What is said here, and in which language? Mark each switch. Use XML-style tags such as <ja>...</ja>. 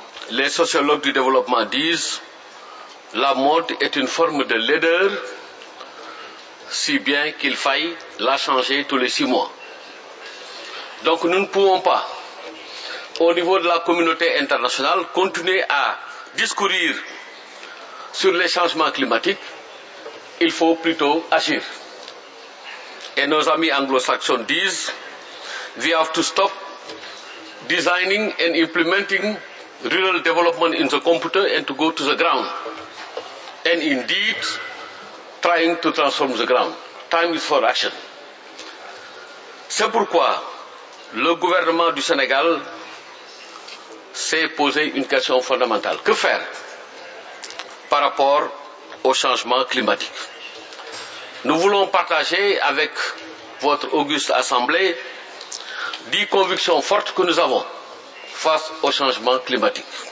<fr>Les sociologues du développement disent que la mode est une forme de laideur, si bien qu'il faille la changer tous les 6 mois. Donc nous ne pouvons pas, au niveau de la communauté internationale, continuer à discourir sur les changements climatiques. Il faut plutôt agir. Et nos amis anglo-saxons disent</fr> <en>« We have to stop designing and implementing rural development in the computer and to go to the ground. And indeed, trying to transform the ground. Time is for action.</en> <fr>» C'est pourquoi le gouvernement du Sénégal s'est posé une question fondamentale. Que faire par rapport au changement climatique? Nous voulons partager avec votre auguste assemblée 10 convictions fortes que nous avons face au changement climatique.</fr>